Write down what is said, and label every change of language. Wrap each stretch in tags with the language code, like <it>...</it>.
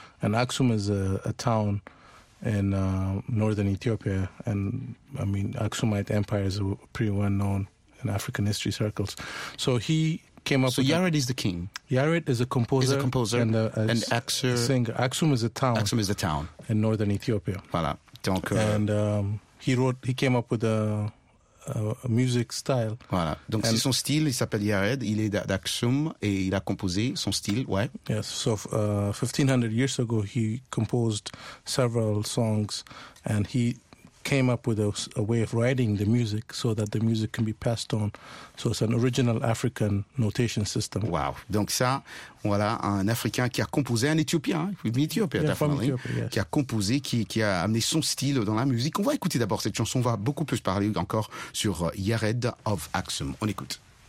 <en>And Aksum is a town in northern Ethiopia, and I mean, Aksumite Empire is pretty well known in African history circles. So he came up. So Yared is the king. Yared is a composer. Is a composer and an Aksur singer. Aksum is a town. Aksum is a town in northern Ethiopia.</en> <fr>Voilà. Donc,</fr> <en>and he came up with a music style.</en> <fr>Voilà. Donc and c'est son style. Il s'appelle Yared. Il est d'Aksum et il a composé son style. Ouais.</fr> <en>Yes. So 1500 years ago, he composed several songs, and he came up with a way of writing the music so that the music can be passed on. So it's an original African notation system. Wow.</en> <fr>Donc ça, voilà, un Africain qui a composé, un Éthiopien, qui a composé, qui a amené son style dans la musique. On va écouter d'abord cette chanson. On va beaucoup plus parler encore sur Yared of Aksum. On écoute.</fr>